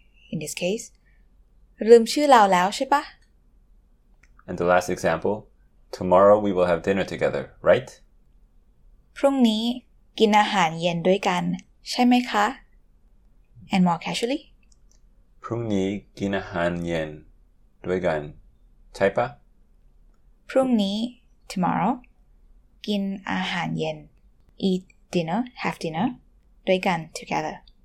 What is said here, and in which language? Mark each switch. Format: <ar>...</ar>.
<en>In this case,</en> <th>ลืม ชื่อ เรา แล้ว ใช่ ป่ะ?</th> <en>And the last example, tomorrow we will have dinner together, right?</en> <th>พรุ่งนี้ กิน อาหาร เย็น ด้วย กัน ใช่ มั้ย คะ?</th> <en>And more casually,</en> <th>พรุ่งนี้ กิน อาหาร เย็น ด้วย กัน ใช่ ป่ะ? พรุ่งนี้ tomorrow กิน อาหาร เย็น</th> <en>eat dinner, have dinner</en> <th>ด้วย กัน together.</th>